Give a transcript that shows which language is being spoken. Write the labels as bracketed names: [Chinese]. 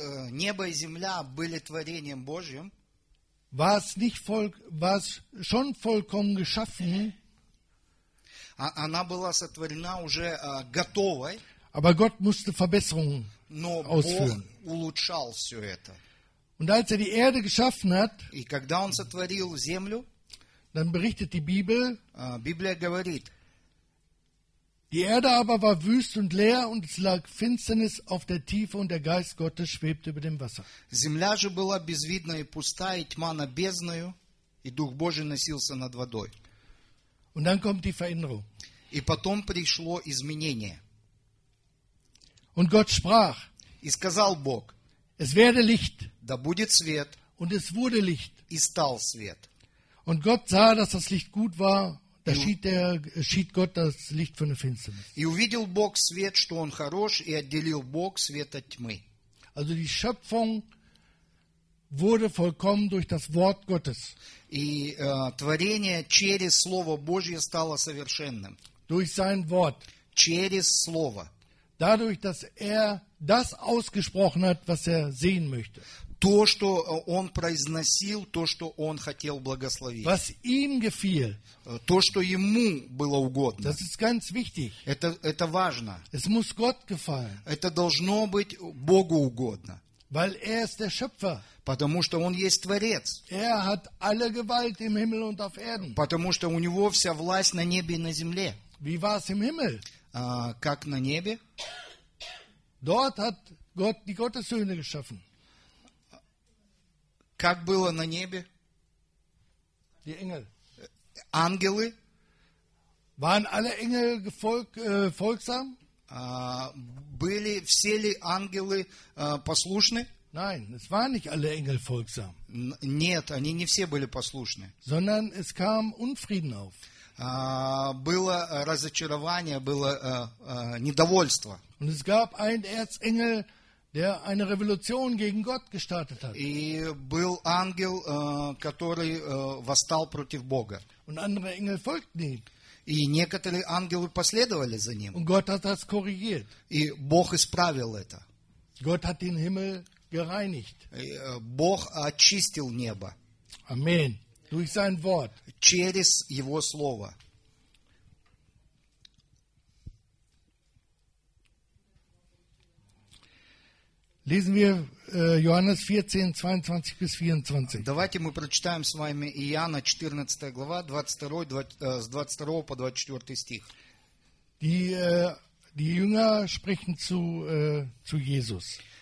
[Russian] небо и земля были творением Божьим, [German] war es schon vollkommen geschaffen. [Russian] Она была сотворена уже готовой. [German] Aber Gott musste Verbesserungen ausführen. [Russian] Улучшал все это. [German] Und als er die Erde geschaffen hat, [Russian] и когда он сотворил землю, [German] dann berichtet die Bibel, [Russian] Библия говорит, [German] die Erde aber war wüst und leer und es lag Finsternis auf der Tiefe und der Geist Gottes schwebte über dem Wasser. [Russian] Земля же была безвидна и пуста, и тьма на бездною, и Дух Божий носился над водой. [German] Und dann kommt die Veränderung. [Russian] И потом пришло изменение. [German] Und Gott sprach. [Russian] И сказал Бог. [German] Es werde Licht. [Russian] Да будет свет. [German] Und es wurde Licht. [Russian] И стал свет. [German] Und Gott sah, dass das Licht gut war. schied Gott das Licht von der Finsternis. [Russian] И увидел Бог свет, что он хорош, и отделил Бог свет от тьмы. [German] Also die Schöpfung wurde vollkommen durch das Wort Gottes. [Russian] И творение через Слово Божье стало совершенным. [German] Durch sein Wort. [Russian] Через Слово. [German] Dadurch, dass er das ausgesprochen hat, was er sehen möchte. [Russian] То, что он произносил, то, что он хотел благословить. [German] Was ihm gefiel. [Russian] То, что ему было угодно. [German] Das ist ganz wichtig. [Russian] Это важно. [German] Es muss Gott gefallen. [Russian] Это должно быть Богу угодно. [German] Weil er ist der Schöpfer. [Russian] Потому что он есть Творец. [German] Er hat alle Gewalt im Himmel und auf Erden. [Russian] Потому что у него вся власть на небе и на земле. [German] Wie war es im Himmel? [Russian] Как на небе? [German] Dort hat Gott die Gottessöhne geschaffen. [Russian] Как было на небе? [German] Die Engel. [Russian] Ангелы? [German] Waren alle Engel folgsam? [Russian] Были все ли ангелы послушны? [German] Nein, es waren nicht alle Engel folgsam. [Russian] Нет, они не все были послушны. [German] Sondern es kam Unfrieden auf. [Russian] Было разочарование, было недовольство. [German] Und es gab einen Erzengel, der eine Revolution gegen Gott gestartet hat. [Russian] И был ангел, который восстал против Бога. [German] Und andere Engel folgten ihm. [Russian] И некоторые ангелы последовали за ним. [German] Und Gott hat das korrigiert. [Russian] И Бог исправил это. [German] Gott hat den Himmel gereinigt. [Russian] И Бог очистил небо. [German] Amen. Durch sein Wort. [Russian] Через его слово. [German] Lesen wir Johannes 14, 22 bis 24. [Russian] Давайте мы прочитаем с вами Иоанна 14 глава, с 22 по 24 стих. [German] Die Jünger sprechen zu Jesus.